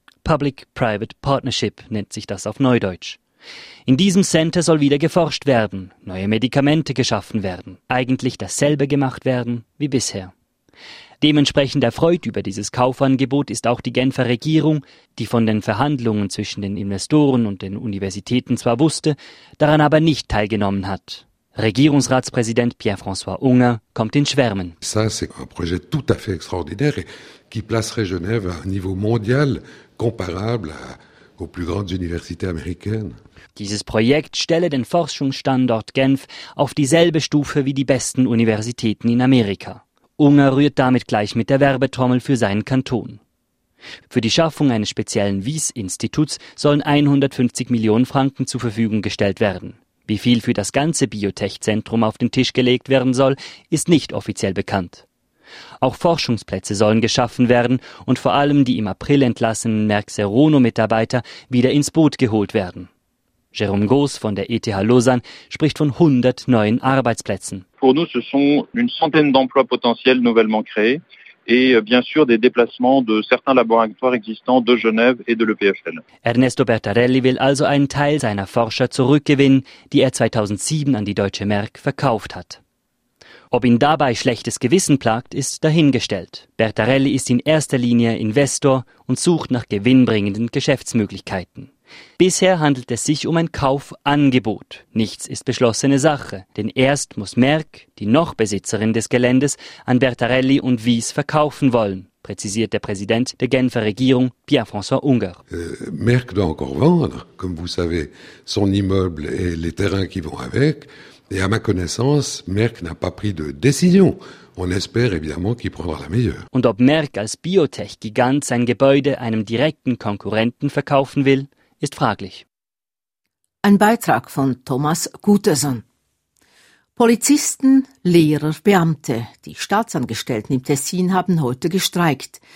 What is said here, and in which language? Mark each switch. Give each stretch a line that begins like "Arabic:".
German: Public-Private Partnership nennt sich das auf Neudeutsch. In diesem Center soll wieder geforscht werden, neue Medikamente geschaffen werden, eigentlich dasselbe gemacht werden wie bisher. Dementsprechend erfreut über dieses Kaufangebot ist auch die Genfer Regierung, die von den Verhandlungen zwischen den Investoren und den Universitäten zwar wusste, daran aber nicht teilgenommen hat. Regierungsratspräsident Pierre-François Unger kommt in Schwärmen.
French: Ça, c'est un projet tout à fait extraordinaire qui placerait Genève à un niveau mondial comparable à aux plus grandes universités américaines.
German: Dieses Projekt stelle den Forschungsstandort Genf auf dieselbe Stufe wie die besten Universitäten in Amerika. Unger rührt damit gleich mit der Werbetrommel für seinen Kanton. Für die Schaffung eines speziellen Wyss-Instituts sollen 150 Millionen Franken zur Verfügung gestellt werden. Wie viel für das ganze Biotech-Zentrum auf den Tisch gelegt werden soll, ist nicht offiziell bekannt. Auch Forschungsplätze sollen geschaffen werden und vor allem die im April entlassenen Merck Serono-Mitarbeiter wieder ins Boot geholt werden. Jérôme Gauss von der ETH Lausanne spricht von 100 neuen Arbeitsplätzen. Für uns sind es eine
French: centaine d'emplois potentiels nouvellement créés et bien sûr des déplacements de certains laboratoires existants de Genève et de l'EPFL.
German: Ernesto Bertarelli will also einen Teil seiner Forscher zurückgewinnen, die er 2007 an die deutsche Merck verkauft hat. Ob ihn dabei schlechtes Gewissen plagt, ist dahingestellt. Bertarelli ist in erster Linie Investor und sucht nach gewinnbringenden Geschäftsmöglichkeiten. Bisher handelt es sich um ein Kaufangebot. Nichts ist beschlossene Sache, denn erst muss Merck, die noch Besitzerin des Geländes, an Bertarelli und Wyss verkaufen wollen, präzisiert der Präsident der Genfer Regierung, Pierre-François Unger.
French: Merck doit encore vendre, comme vous savez, son immeuble et les terrains qui vont avec. Et à ma connaissance, Merck n'a pas pris de décision. On espère évidemment qu'il prendra la meilleure.
German: Und ob Merck als Biotech-Gigant sein Gebäude einem direkten Konkurrenten verkaufen will, ist fraglich. Ein Beitrag von Thomas Gutersohn. Polizisten, Lehrer, Beamte, die Staatsangestellten im Tessin haben heute gestreikt.